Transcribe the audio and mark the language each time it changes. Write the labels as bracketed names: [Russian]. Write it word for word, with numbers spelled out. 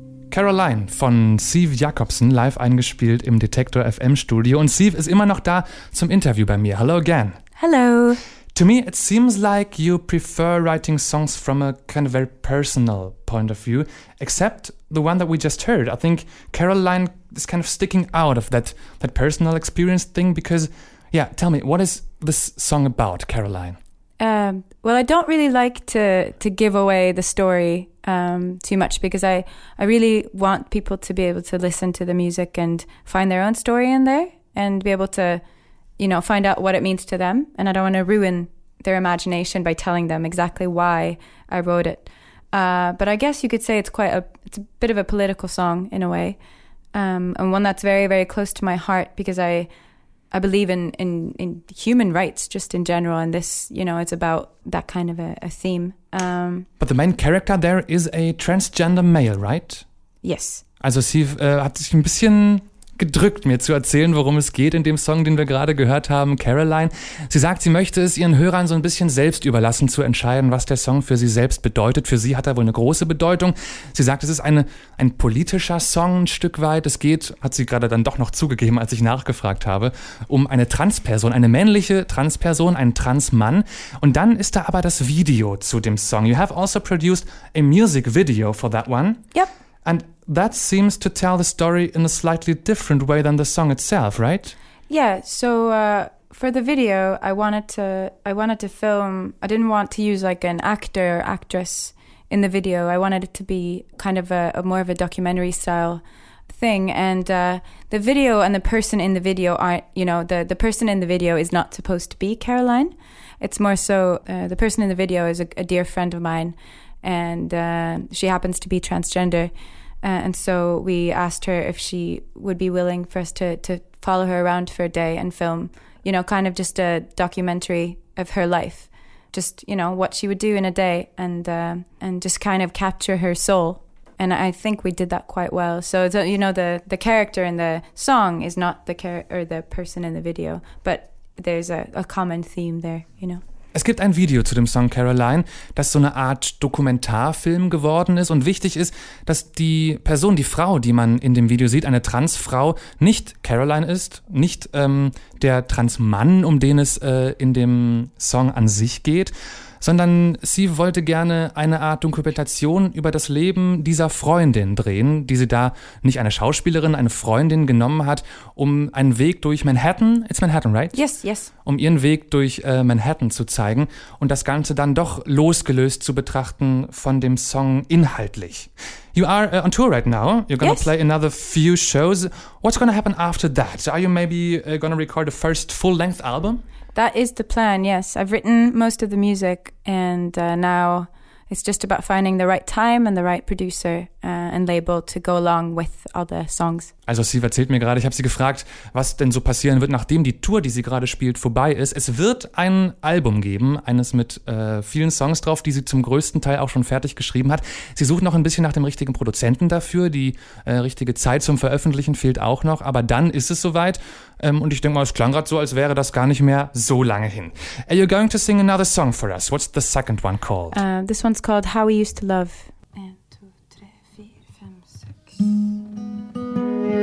[German] Caroline von Steve Jacobson, live eingespielt im Detektor F M Studio. Und Steve ist immer noch da zum Interview bei mir. [English] Hello again. Hello. To me, it seems like you prefer writing songs from a kind of very personal point of view, except the one that we just heard. I think Caroline is kind of sticking out of that, that personal experience thing because, yeah, tell me, what is this song about, Caroline? Um, well, I don't really like to, to give away the story um, too much because I, I really want people to be able to listen to the music and find their own story in there and be able to, you know, find out what it means to them. And I don't want to ruin their imagination by telling them exactly why I wrote it. Uh, but I guess you could say it's quite a, it's a bit of a political song in a way, um, and one that's very, very close to my heart because I, I believe in, in, in human rights just in general. And this, you know, it's about that kind of a, a theme. Um, but the main character there is a transgender male, right? Yes. [German] Also sie äh, hat sich ein bisschen gedrückt, mir zu erzählen, worum es geht in dem Song, den wir gerade gehört haben, Caroline. Sie sagt, sie möchte es ihren Hörern so ein bisschen selbst überlassen, zu entscheiden, was der Song für sie selbst bedeutet. Für sie hat er wohl eine große Bedeutung. Sie sagt, es ist eine, ein politischer Song ein Stück weit. Es geht, hat sie gerade dann doch noch zugegeben, als ich nachgefragt habe, um eine Transperson, eine männliche Transperson, einen Transmann. Und dann ist da aber das Video zu dem Song. [English] You have also produced a music video for that one. Yep. And that seems to tell the story in a slightly different way than the song itself, right? Yeah. So uh, for the video, I wanted to I wanted to film. I didn't want to use like an actor or actress in the video. I wanted it to be kind of a, a more of a documentary style thing. And uh, the video and the person in the video aren't. You know, the the person in the video is not supposed to be Caroline. It's more so uh, the person in the video is a, a dear friend of mine, and uh, she happens to be transgender. Uh, and so we asked her if she would be willing for us to, to follow her around for a day and film, you know, kind of just a documentary of her life, just, you know, what she would do in a day and uh, and just kind of capture her soul. And I think we did that quite well. So, so you know, the, the character in the song is not the char- or the person in the video, but there's a, a common theme there, you know. [German] Es gibt ein Video zu dem Song Caroline, das so eine Art Dokumentarfilm geworden ist, und wichtig ist, dass die Person, die Frau, die man in dem Video sieht, eine Transfrau, nicht Caroline ist, nicht ähm, der Transmann, um den es äh, in dem Song an sich geht, sondern sie wollte gerne eine Art Dokumentation über das Leben dieser Freundin drehen, die sie da nicht eine Schauspielerin, eine Freundin genommen hat, um einen Weg durch Manhattan, [English] it's Manhattan, right? Yes, yes. [German] Um ihren Weg durch äh, Manhattan zu zeigen und das Ganze dann doch losgelöst zu betrachten von dem Song inhaltlich. [English] You are uh, on tour right now. You're going to Yes. play another few shows. What's going to happen after that? Are you maybe uh, going to record the first full-length album? That is the plan, yes. I've written most of the music, and uh, now it's just about finding the right time and the right producer uh, and label to go along with all the songs. [German] Also sie erzählt mir gerade, ich habe sie gefragt, was denn so passieren wird, nachdem die Tour, die sie gerade spielt, vorbei ist. Es wird ein Album geben, eines mit äh, vielen Songs drauf, die sie zum größten Teil auch schon fertig geschrieben hat. Sie sucht noch ein bisschen nach dem richtigen Produzenten dafür. Die äh, richtige Zeit zum Veröffentlichen fehlt auch noch, aber dann ist es soweit. Ähm, und ich denke mal, es klang gerade so, als wäre das gar nicht mehr so lange hin. [English] Are you going to sing another song for us? What's the second one called? Uh, this one's called How We Used to Love. [German] Ein, zwei, drei, vier, fünf, sechs.